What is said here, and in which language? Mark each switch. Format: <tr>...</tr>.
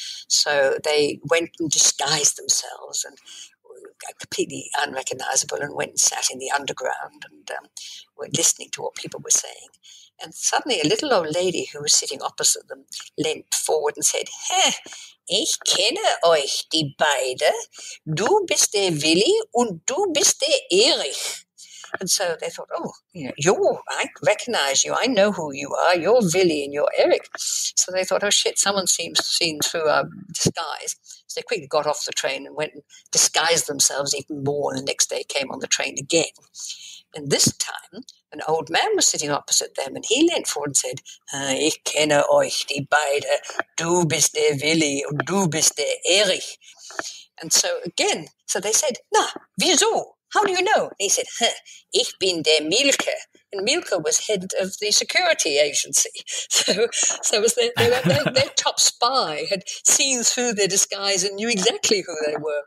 <en>So they went and disguised themselves and completely unrecognizable and went and sat in the underground and were listening to what people were saying. And suddenly a little old lady who was sitting opposite them leant forward and said,</en> <de>"Heh, ich kenne euch die beide. Du bist der Willi und du bist der Erich."</de> <en>And so they thought, oh, you know, I recognize you. I know who you are. You're Willy and you're Eric. So they thought, oh, shit, someone seems seen through our disguise. So they quickly got off the train and went and disguised themselves even more. And the next day came on the train again. And this time, an old man was sitting opposite them, and he leant forward and said,</en> <de>"Ich kenne euch die beide. Du bist der Willy und du bist der Erich."</de> <en>And so again, so they said,</en> <de>"Na, wieso?</de> <en>How do you know?" And he said, "Huh,</en> <de>ich bin der Milke."</de> <en>And Milke was head of the security agency. So it was their top spy had seen through their disguise and knew exactly who they were.</en>